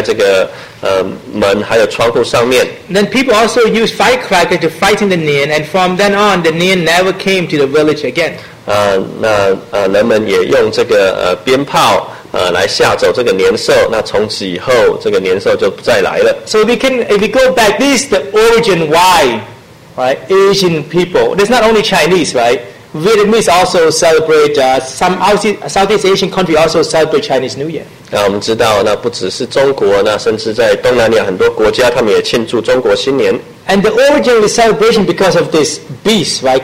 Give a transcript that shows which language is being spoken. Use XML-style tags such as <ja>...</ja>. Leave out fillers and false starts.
<zh>所以每次当这个年兽要来的时候，那这些村里的人就会将这个红色的条子，还有春联，这样放在这个门还有窗户上面。</zh> <en>Then people also used firecracker to frighten the Nian, and from then on, the Nian never came to the village again.</en> <zh>那人们也用这个鞭炮。来吓走这个年兽，那从此以后，这个年兽就不再来了。</zh> <en>So we can, if we go back, this is the origin why, right? Asian people. It's not only Chinese, right? Vietnamese also celebrate. Some Southeast Asian country also celebrate Chinese New Year.</en> <zh>那我们知道，那不只是中国，那甚至在东南亚很多国家，他们也庆祝中国新年。And</zh> <en>the origin of the celebration because of this beast, right?</en>